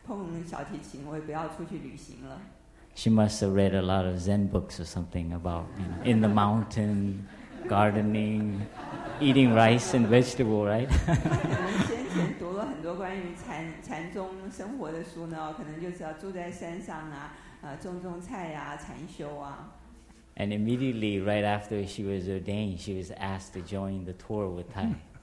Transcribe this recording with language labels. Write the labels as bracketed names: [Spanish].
[Chinese] 他就发愿，他就跟自己讲说，好，现在我出家了，我要在禅堂待个三年，我不要碰小提琴，我也不要出去旅行了。 [English] She must have read a lot of Zen books or something about, you know, in the mountain, gardening, eating rice and vegetable, right? [Chinese] 可能先前读了很多关于禅宗生活的书呢，可能就是要住在山上啊，种种菜啊，禅修啊。 [English] And immediately, right after she was ordained, she was asked to join the tour with Tai.